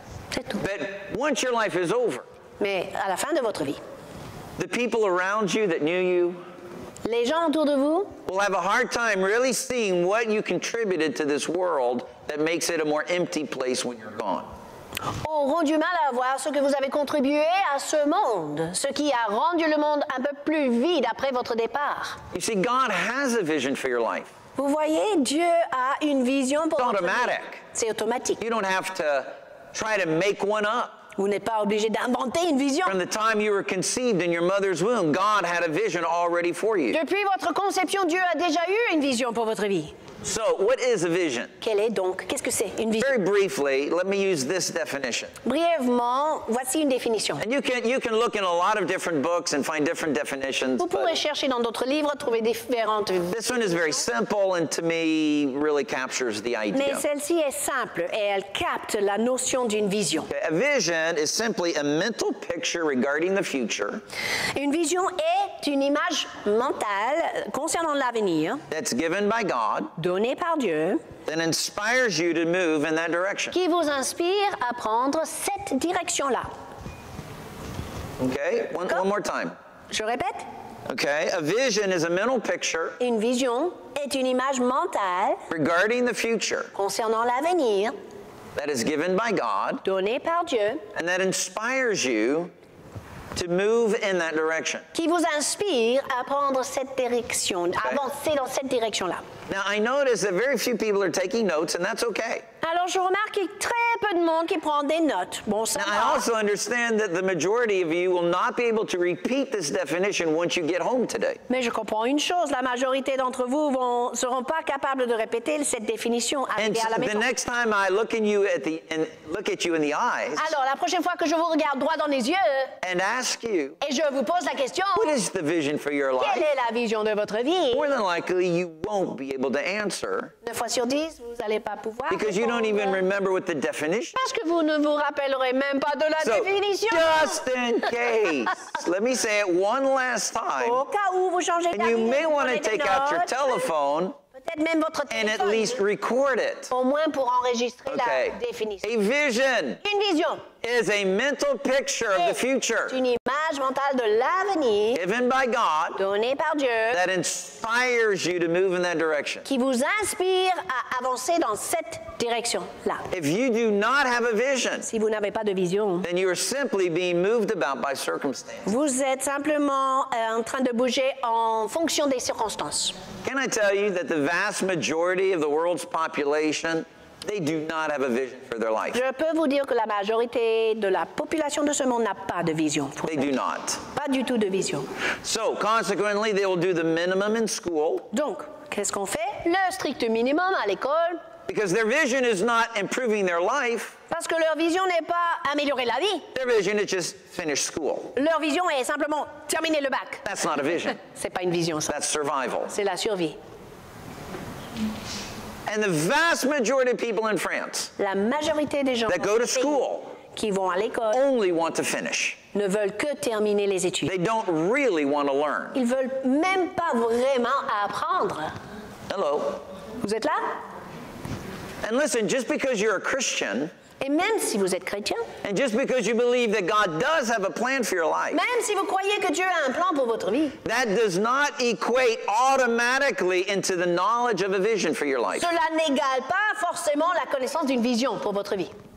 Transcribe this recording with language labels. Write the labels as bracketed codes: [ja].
[fr] C'est tout. [en] But once your life is over, [fr] mais à la fin de votre vie, [en] the people around you that knew you, [fr] les gens autour de vous, [en] will have a hard time really seeing what you contributed to this world that makes it a more empty place when you're gone. [fr] Auront du mal à voir ce que vous avez contribué à ce monde, ce qui a rendu le monde un peu plus vide après votre départ. [en] You see, God has a vision for your life. [fr] Vous voyez, Dieu a une vision pour [en] it's [fr] votre [en] automatic. [fr] Vie. C'est automatique. [en] You don't have to try to make one up. [fr] Vous n'êtes pas obligé d'inventer une vision. [en] From the time you were conceived in your mother's womb, God had a vision already for you. [fr] Depuis votre conception, Dieu a déjà eu une vision pour votre vie. [en] So, what is a vision? [fr] Quelle est donc, qu'est-ce que c'est, une vision? [en] Very briefly, let me use this definition. [fr] Brièvement, voici une définition. [en] And you can look in a lot of different books and find different definitions. [fr] Vous pourrez chercher dans d'autres livres, trouver différentes. [en] This one is very simple and to me really captures the idea. [fr] Mais celle-ci est simple et elle capte la notion d'une vision. [en] Okay, a vision is simply a mental picture regarding the future. [fr] Une vision est une image mentale concernant l'avenir. [en] That's given by God. [fr] Donné par Dieu, [en] that inspires you to move in that direction. [fr] Qui vous inspire à prendre cette direction-là. [en] Okay, one more time. [fr] Je répète. [en] Okay, a vision is a mental picture. [fr] Une vision est une image mentale [en] regarding the future. [fr] Concernant l'avenir. [en] That is given by God. [fr] Donné par Dieu. [en] And that inspires you to move in that direction. [fr] Qui vous inspire à prendre cette direction, okay. avancer dans cette direction-là. [en] Now I notice that very few people are taking notes, and that's okay. [fr] Alors je remarque qu'il y a très peu de monde qui prend des notes. Bon, ça va. [en] I also understand that the majority of you will not be able to repeat this definition once you get home today. [fr] Mais je comprends une chose, la majorité d'entre vous ne seront pas capables de répéter cette définition à la maison. [en] And the next time I look in you at the and look at you in the eyes. [fr] Alors la prochaine fois que je vous regarde droit dans les yeux. [en] And ask you. [fr] Et je vous pose la question. [en] What is the vision for your life? [fr] Quelle est la vision de votre vie? [en] More than likely, you won't be able to answer. [fr] 9 fois sur 10, vous n'allez pas pouvoir. [en] Because you don't even remember what the definition. [fr] Parce que vous ne vous rappellerez même pas de la [en] so, [fr] définition. [en] Just in case, let me say it one last time. [fr] Au cas où vous changez d'avis. [en] And you may want to take out your telephone. [fr] Peut-être même votre téléphone. [en] And at least record it. [fr] Au moins pour enregistrer la définition. [en] A vision. [fr] Une vision. [en] Is a mental picture of the future. [fr] C'est une image mentale de l'avenir. [en] Given by God. [fr] Donnée par Dieu. [en] That inspires you to move in that direction. [fr] Qui vous inspire à avancer dans cette direction là. [en] If you do not have a vision. [fr] Si vous n'avez pas de vision. [en] Then you are simply being moved about by circumstances. [fr] Vous êtes simplement en train de bouger en fonction des circonstances. [en] Can I tell you that the vast majority of the world's population, they do not have a vision for their life. [fr] Je peux vous dire que la majorité de la population de ce monde n'a pas de vision. [en] They do not. [fr] Pas du tout de vision. [en] So, consequently, they will do the minimum in school. [fr] Donc, qu'est-ce qu'on fait? Le strict minimum à l'école. [en] Because their vision is not improving their life. [fr] Parce que leur vision n'est pas améliorer la vie. [en] Their vision is just finish school. [fr] Leur vision est simplement terminer le bac. [en] That's not a vision. [fr] C'est pas une vision, ça. [en] That's survival. [fr] C'est la survie. [en] And the vast majority of people in France [fr] la majorité des gens [en] that go to school [fr] qui vont à l'école [en] only want to finish. [fr] Ne veulent que terminer les études. [en] They don't really want to learn. [fr] Ils veulent même pas vraiment apprendre. [en] Hello. [fr] Vous êtes là? [en] And listen, just because you're a Christian, [fr] et même si vous êtes chrétien, [en] and just because you believe that God does have a plan for your life, [fr] même si vous croyez que Dieu a un plan pour votre vie, [en] that does not equate automatically into the knowledge of a vision for your life. [fr] Cela n'égale pas forcément la connaissance d'une vision pour votre vie.